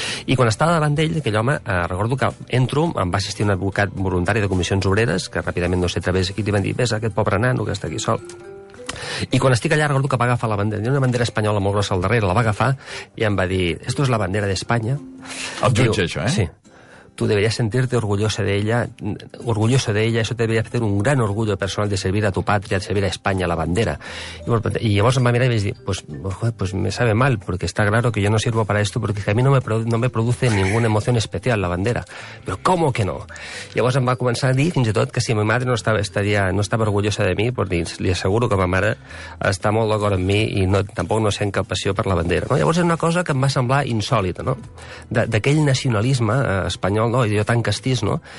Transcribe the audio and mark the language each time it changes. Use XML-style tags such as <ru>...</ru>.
<ca>I quan estava davant d'ell, aquell home, recordo que entro, em va assistir un advocat voluntari de Comissions Obreres, que ràpidament no sé través de qui, li van dir, ves aquest pobre nano que està aquí sol. I quan estic allà, recordo que va agafar la bandera, una bandera espanyola molt grossa al darrere, la va agafar i em va dir,</ca> <es>esto es la bandera</es> <ca>d'Espanya. El jutge, diu, això, eh? Sí.</ca> <es>Tú deberías sentirte orgulloso de ella, eso te debería hacer un gran orgullo personal de servir a tu patria, de servir a España, la bandera.</es> <ca>Y llavors em va mirar i vaig dir,</ca> <es>pues me sabe mal, porque está claro que yo no sirvo para esto, porque a mí no me produce ninguna emoción especial la bandera. Pero ¿cómo que no?</es> <ca>Y llavors em va començar a dir, fins i tot, que si</ca> <es>mi madre</es> <ca>no estava orgullosa de mi, pues li asseguro que ma mare està molt d'acord amb mi i no, tampoc no sent cap passió per la bandera. No? Llavors és una cosa que em va semblar insòlita, no? D'aquell nacionalisme espanyol, no, jo tan castís, no?</ca>